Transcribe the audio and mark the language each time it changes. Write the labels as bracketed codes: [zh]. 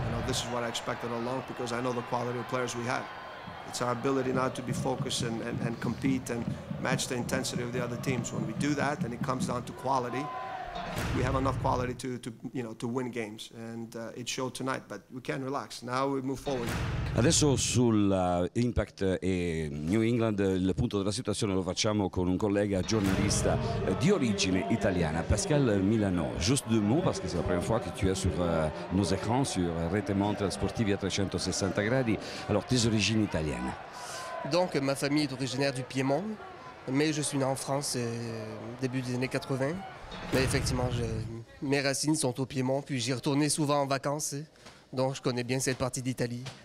[en] You know, this is what I expected all along because I know the quality of players we have. It's our ability now to be focused and compete and match the intensity of the other teams. When we do that, and it comes down to quality, we have enough quality to win games, and it showed tonight, but we can relax. Now we move forward. [it] Adesso sul Impact e New England, il punto della situazione lo facciamo con un collega giornalista di origine italiana, Pascal Milano. [fr] Juste deux mots, parce que c'est la première fois que tu es sur nos écrans, sur Rete Montréal Sportive à 360 gradi. Alors, tes origines italiennes. Donc, ma famille est originaire du Piémont, mais je suis né en France au début des années 80. Mais effectivement, mes racines sont au Piémont, puis j'y retournais souvent en vacances, donc je connais bien cette partie d'Italie.